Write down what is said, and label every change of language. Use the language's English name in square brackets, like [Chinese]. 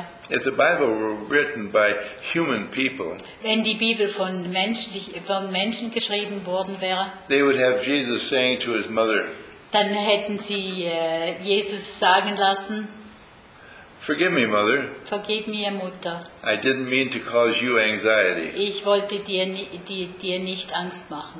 [English] If the Bible were written by human people, [German] wenn die Bibel von Menschen geschrieben worden wäre, [English] they would have Jesus saying to his mother, [German] dann hätten sie Jesus sagen lassen, [English] "Forgive me, mother. [German] Vergib mir, Mutter. [English] I didn't mean to cause you anxiety. [German] Ich wollte dir nicht Angst machen.